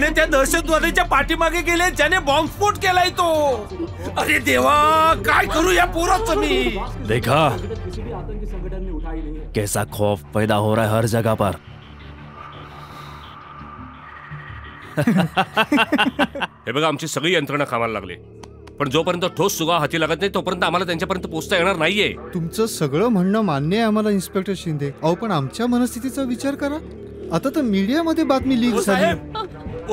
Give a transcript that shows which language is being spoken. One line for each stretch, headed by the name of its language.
Marathi: दहशतवाद्याच्या पाठीमागे गेले ज्याने बॉम्बस्फोट केलाय तो। अरे देवा काय करू या पोराचं मी।
Hindi: देखा कैसा खौफ पैदा हो रहा है हर जगह पर।
Marathi: हे बघा आमची सगळी यंत्रणा कामाला लागली, पण जोपर्यंत ठोस सुगा हाती लागत नाही तोपर्यंत आम्हाला त्यांच्यापर्यंत पोहोचता येणार नाहीये। तुमचं सगळं म्हणणं मान्य आहे आम्हाला इन्स्पेक्टर शिंदे, अहो पण आमच्या मनस्थितीचा विचार करा, आता तर मीडियामध्ये बातमी लीक झाली।